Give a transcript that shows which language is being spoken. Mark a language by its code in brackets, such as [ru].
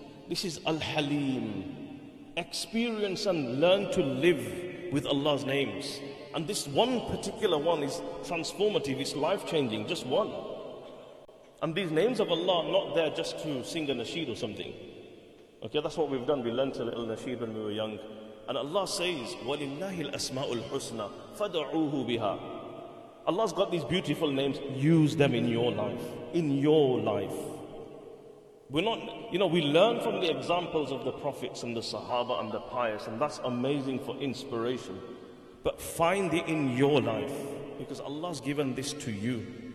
[en] This is Al-Halim. Experience and learn to live with Allah's names. And this one particular one is transformative, it's life-changing, just one. And these names of Allah are not there just to sing a nasheed or something. Okay, that's what we've done. We learned a little nasheed when we were young. And Allah says, [ar] وَلِلَّهِ الْأَسْمَاءُ الْحُسْنَى فَدَعُوهُ بِهَا. [en] Allah's got these beautiful names, use them in your life. In your life. We're not, you know, we learn from the examples of the prophets and the Sahaba and the pious, and that's amazing for inspiration. But find it in your life, because Allah's given this to you.